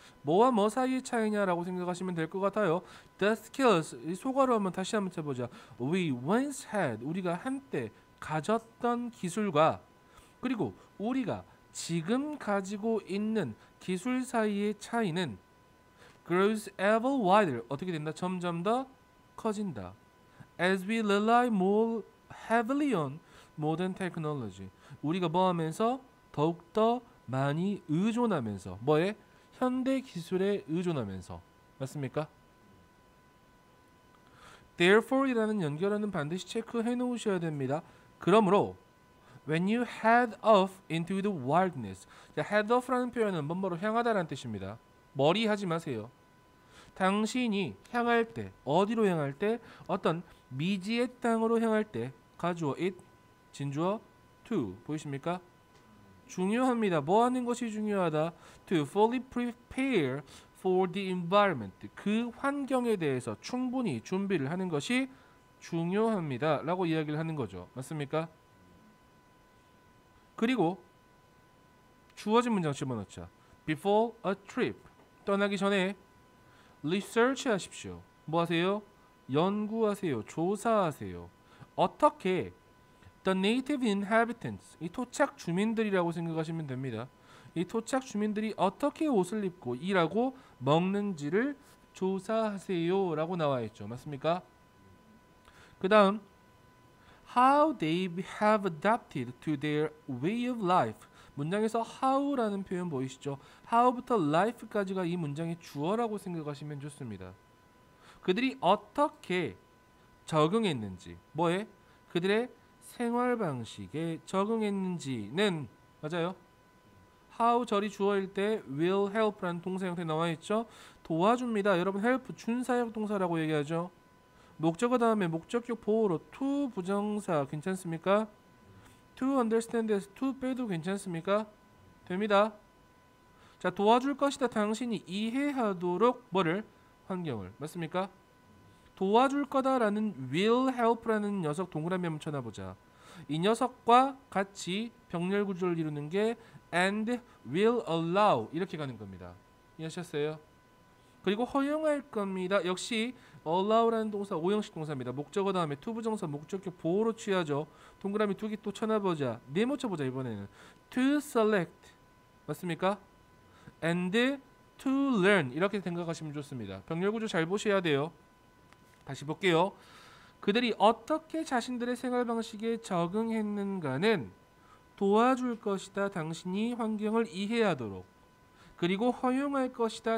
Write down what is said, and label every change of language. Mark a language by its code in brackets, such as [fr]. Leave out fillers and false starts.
[ko] 뭐와 뭐 사이의 차이냐라고 생각하시면 될 것 같아요. [en] The skills, [ko] 소괄호 한번 다시 한번 쳐보자. [en] We once had, [ko] 우리가 한때 가졌던 기술과 그리고 우리가 지금 가지고 있는 기술 사이의 차이는 [en] grows ever wider, [ko] 어떻게 된다? 점점 더 커진다. [en] As we rely more heavily on modern technology, [ko] 우리가 뭐 하면서 더욱더 많이 의존하면서, 뭐에? 현대 기술에 의존하면서, 맞습니까? [en] Therefore [ko] 이라는 연결어는 반드시 체크해 놓으셔야 됩니다. 그러므로 [en] When you head off into the wilderness, [ko] head off라는 표현은 뭐뭐로 향하다라는 뜻입니다. 머리하지 마세요. 당신이 향할 때, 어디로 향할 때, 어떤 미지의 땅으로 향할 때, 가주어 it, 진주어 to, 보이십니까? 중요합니다. 뭐 하는 것이 중요하다? [en] To fully prepare for the environment, [ko] 그 환경에 대해서 충분히 준비를 하는 것이 중요합니다. 라고 이야기를 하는 거죠. 맞습니까? 그리고 주어진 문장 집어넣자. [en] Before a trip, [ko] 떠나기 전에 리서치 하십시오. 뭐 하세요? 연구하세요. 조사하세요. 어떻게 [en] the native inhabitants, [ko] 이 토착 주민들이라고 생각하시면 됩니다. 이 토착 주민들이 어떻게 옷을 입고 일하고 먹는지를 조사하세요 라고 나와 있죠. 맞습니까? 그 다음 [en] how they have adapted to their way of life. [ko] 문장에서 how라는 표현 보이시죠? how부터 life까지가 이 문장의 주어라고 생각하시면 좋습니다. 그들이 어떻게 적응했는지, 뭐에? 그들의 생활 방식에 적응했는지는, 맞아요? how 절이 주어일 때 will help라는 동사 형태 나와 있죠? 도와줍니다. 여러분 help 준사역 동사라고 얘기하죠? 목적어 다음에 목적격 보호로 to 부정사 괜찮습니까? [en] To understand this, to [ko] 빼도 괜찮습니까? 됩니다. 자, 도와줄 것이다. 당신이 이해하도록 뭐를? 환경을. 맞습니까? 도와줄 거다라는 will help라는 녀석 동그라미 한번 쳐놔보자. 이 녀석과 같이 병렬 구조를 이루는 게 [en] and will allow [ko] 이렇게 가는 겁니다. 이해하셨어요? 그리고 허용할 겁니다. 역시 allow라는 동사 5형식 동사입니다. 목적어 다음에 to 부정사 목적격 보호로 취하죠. 동그라미 두개또 쳐나보자. 네모 쳐보자 이번에는. [en] To select [ko] 맞습니까? [en] And to learn [ko] 이렇게 생각하시면 좋습니다. 병렬구조 잘 보셔야 돼요. 다시 볼게요. 그들이 어떻게 자신들의 생활 방식에 적응했는가는 도와줄 것이다. 당신이 환경을 이해하도록. 그리고 허용할 것이다.